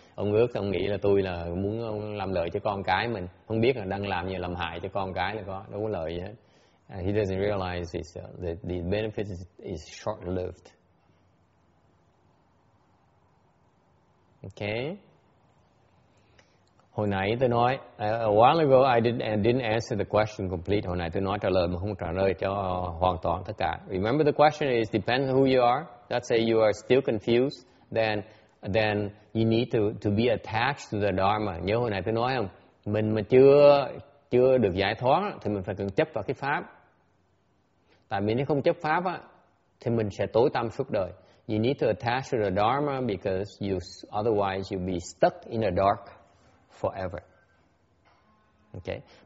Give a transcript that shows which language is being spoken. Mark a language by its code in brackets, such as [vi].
[vi] Ông ước ông nghĩ là tôi là muốn làm lợi cho con cái mình, không biết là đang làm gì làm hại cho con cái là có, đâu có lợi gì hết. [en] He doesn't realize that the benefit is short-lived. Okay. [vi] Hồi nãy tôi nói, [en] a while ago I didn't answer the question complete. [vi] Hồi nãy tôi nói trả lời mà không trả lời cho hoàn toàn tất cả. [en] Remember the question is depends on who you are. Let's say you are still confused, then you need to be attached to the Dharma. [vi] Nhớ hồi nãy tôi nói không? Mình mà chưa được giải thoát thì mình phải cần chấp vào cái pháp. Tại vì nếu không chấp pháp á, thì mình sẽ tối tăm suốt đời. [en] You need to attach to the Dharma because otherwise you'll be stuck in the dark forever. Okay.